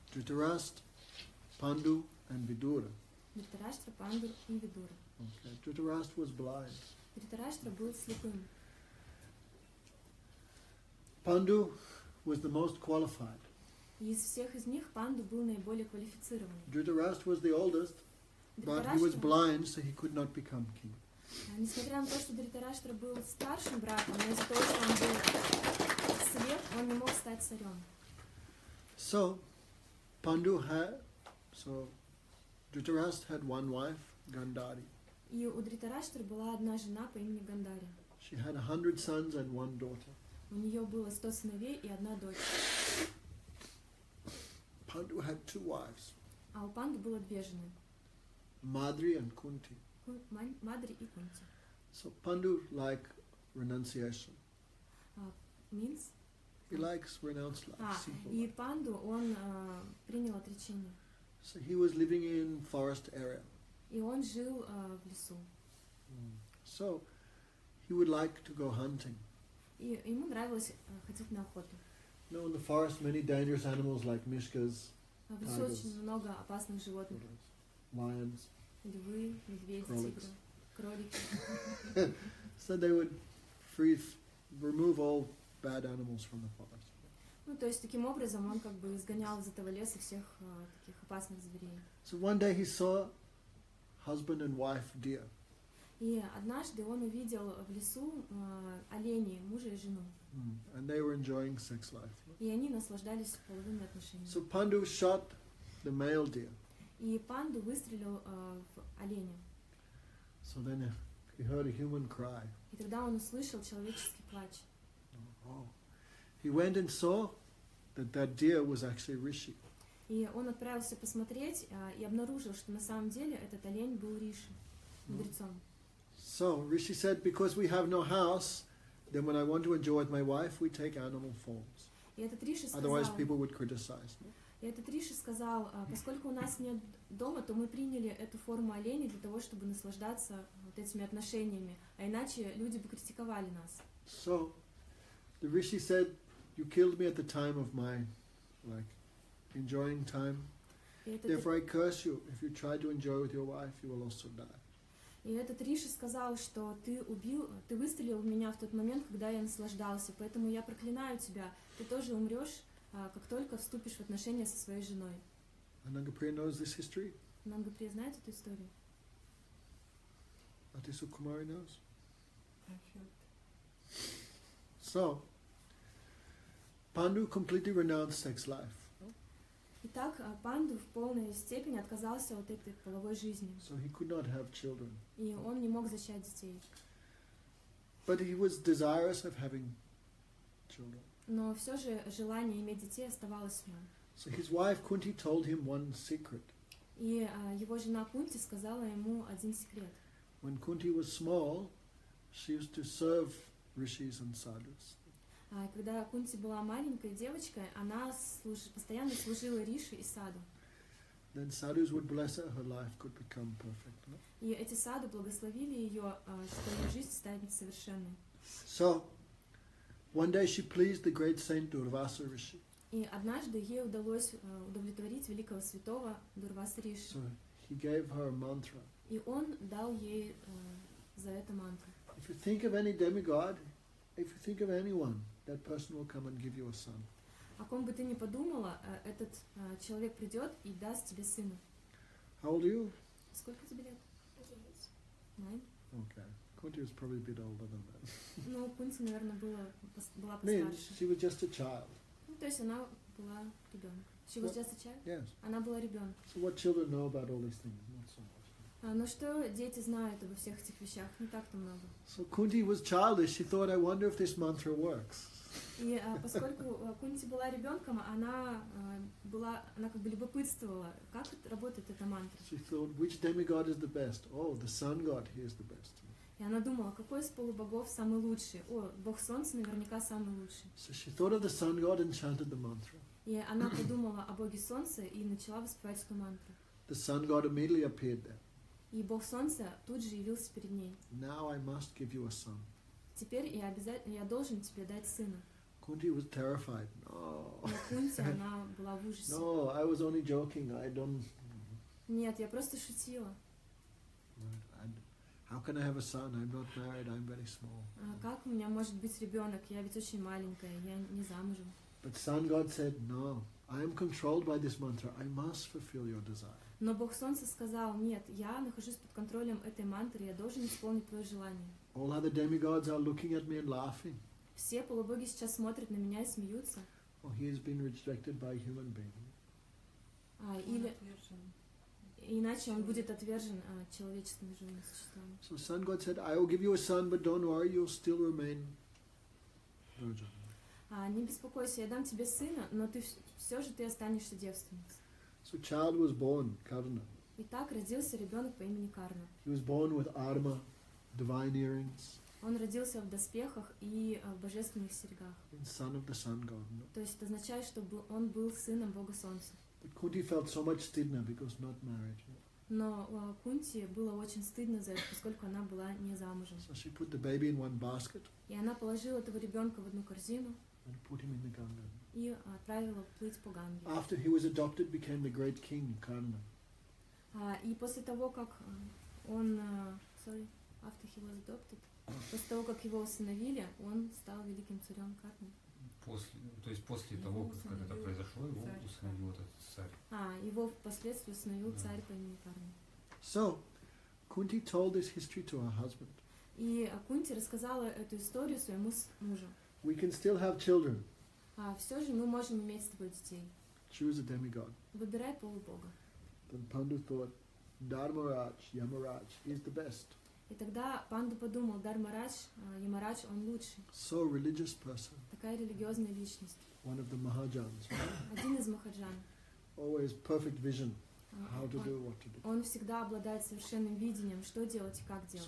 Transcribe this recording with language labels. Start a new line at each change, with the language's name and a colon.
English: Dhritarashtra, Pandu, and Vidura.
Russian: Dhritarashtra, Pandu и Vidura.
English: Okay. Dhritarashtra was blind.
Russian: Dhritarashtra был слепым.
English: Pandu was the most qualified.
Russian: Из всех из них Панду был наиболее квалифицированным.
English: Dhritarashtra was the oldest, but he was blind, so he could not become king.
Russian: Несмотря на то, что Dhritarashtra был старшим братом, но из-за того, что он был слеп, он не мог стать царем.
English: So, Pandu had, so Dhritarashtra had one wife, Gandhari.
Russian: И у Dhritarashtra была одна жена по имени Гандари.
English: She had 100 sons and one daughter.
Russian: У нее было 100 сыновей и одна дочь.
English: Pandu had two wives.
Russian: А у Панды было две жены.
English: Madri and Kunti.
Russian: Madri и Kunti.
English: So Pandu like renunciation. Means? He likes renounced life.
Russian: И Панду он принял отречение.
English: So he was living in forest area.
Russian: И он жил в лесу.
English: So he would like to go hunting.
Russian: ему нравилось ходить на охоту.
English: No, in the forest many dangerous animals like
Russian: мишкас. В лесу очень много опасных животных.
English: Lions.
Russian: Львы, медведи, тигры, кролики.
English: So they would free, remove all bad animals from the forest.
Russian: Ну, то есть таким образом он как бы изгонял из этого леса всех таких опасных зверей.
English: So one day he saw husband and wife deer.
Russian: И однажды он увидел в лесу оленей, мужа и жену.
English: And they were enjoying sex life.
Russian: И они наслаждались половыми отношениями.
English: So Pandu shot the male deer.
Russian: И Панду выстрелил в оленя.
English: So then he heard a human cry.
Russian: И тогда он услышал человеческий плач.
English: He went and saw that that deer was actually Rishi.
Russian: И он отправился посмотреть и обнаружил, что на самом деле этот олень был Риши, мудрецом.
English: So Rishi said, because we have no house, then when I want to enjoy with my wife, we take animal forms.
Russian: И этот Риши сказал.
English: Otherwise, people would criticize.
Russian: И этот Риши сказал, поскольку у нас нет дома, то мы приняли эту форму оленя для того, чтобы наслаждаться вот этими отношениями, а иначе люди бы критиковали нас.
English: So the Rishi said, you killed me at the time of my, like, enjoying time. Therefore, I curse you. If you try to enjoy with your wife, you will also die.
Russian: И этот Риши сказал, что ты убил, ты выстрелил в меня в тот момент, когда я наслаждался. Поэтому я проклинаю тебя. Ты тоже умрешь, как только вступишь в отношения со своей женой.
English: Анангаприя knows this history?
Russian: Анангаприя знает эту историю?
English: Атису Кумари knows? I felt. So, Pandu completely renounced sex life.
Russian: Итак, Панду в полной степени отказался от этой половой жизни.
English: So he could not have children.
Russian: И он не мог зачать детей.
English: But he was desirous of having children.
Russian: Но все же желание иметь детей оставалось в нем.
English: So his wife Kunti told him one secret.
Russian: И его жена Кунти сказала ему один секрет.
English: When Kunti was small, she used to serve rishis and sadhus.
Russian: Когда Кунти была маленькой девочкой, она постоянно служила Риши и Саду.
English: Then sadhus would bless her, her life could become perfect. No?
Russian: И эти Саду благословили ее, чтобы ее жизнь станет совершенной.
English: So, one day she pleased the great saint Дурваса Риши.
Russian: И однажды ей удалось удовлетворить великого святого Дурваса Риши.
English: So, he gave her a mantra.
Russian: И он дал ей за это мантру.
English: If you think of any demigod, if you think of anyone, that person will come and give you a son.
Russian: О ком бы ты ни подумала, этот человек придет и даст тебе сына.
English: How old are you?
Russian: Сколько тебе лет?
English: 9. Okay. Kunti was probably a bit older than that.
Russian: Ну, Кунти, наверное, была постарше.
English: She was just a child.
Russian: Ну, то есть она была ребенок.
English: She was just a child? Yes.
Russian: Она была ребенок.
English: So what children know about all these things? Not so much.
Russian: Но что дети знают обо всех этих вещах? Не так-то много.
English: So Kunti was childish. She thought, I wonder if this mantra works.
Russian: И поскольку Кунти была ребенком, она как бы любопытствовала, как работает эта мантра.
English: She thought, which demigod is the best? Oh, the sun god, he is the best.
Russian: И она думала, какой из полубогов самый лучший? О, бог солнца наверняка самый лучший.
English: So she thought of the sun god and chanted the mantra.
Russian: И она подумала о боге солнца и начала воспевать эту мантру.
English: The sun god immediately appeared there.
Russian: И бог солнца тут же явился перед ней.
English: Now I must give you a son.
Russian: Теперь я должен тебе дать сына.
English: Kunti was terrified. No.
Russian: Но Кунти, она была в ужасе.
English: No, I was only joking. I don't.
Russian: Нет, я просто шутила.
English: How can I have a son? I'm not married. I'm very small.
Russian: Как у меня может быть ребенок? Я ведь очень маленькая. Я не замужем.
English: But Sun God said, No, I am controlled by this mantra. I must fulfill your desire.
Russian: Но Бог Солнца сказал, нет, я нахожусь под контролем этой мантры, я должен исполнить твое желание.
English: All other demigods are looking at me and laughing.
Russian: Все полубоги сейчас смотрят на меня и смеются.
English: Oh, he has been rejected by a human being.
Russian: Или иначе он будет отвержен человеческим живым существом.
English: So Sun God said, I will give you a son, but don't worry, you'll still remain virgin.
Russian: Не беспокойся, я дам тебе сына, но ты все же ты останешься девственницей.
English: So child was born, Karna.
Russian: Итак, родился ребенок по имени Карна.
English: He was born with armor, divine earrings.
Russian: Он родился в доспехах и в божественных серьгах.
English: And son of the sun god. No.
Russian: То есть это означает, что он был сыном бога солнца.
English: But Kunti felt so much
Russian: stidna
English: because not married.
Russian: Но Кунти было очень стыдно за это, поскольку она была не замужем.
English: So she put the baby in one basket.
Russian: И она положила этого ребенка в одну корзину.
English: And put him in the Ganga.
Russian: И отправила плыть по Ганге.
English: After he was adopted, became the great king Karna.
Russian: И после того, как он,
English: after he was adopted,
Russian: после того, как его усыновили, он стал великим царем Карна. После, то есть после его того, как это произошло, его усыновил этот царь. Его впоследствии усыновил царь по имени Карна.
English: So, Kunti told this history to her husband.
Russian: И Кунти рассказала эту историю своему мужу.
English: We can still have children.
Russian: Все же мы можем иметь с тобой детей.
English: Choose a demigod.
Russian: Выбирай полубога.
English: Then Pandu thought, Dharmaraj, Yamaraj is the best.
Russian: И тогда Панду подумал, Дармарадж, Ямарадж, он лучший.
English: So religious person.
Russian: Такая религиозная личность.
English: One of the Mahajans.
Russian: Один из Махаджан.
English: Always perfect vision. How to do what to do.
Russian: Он всегда обладает совершенным видением, что делать и как делать.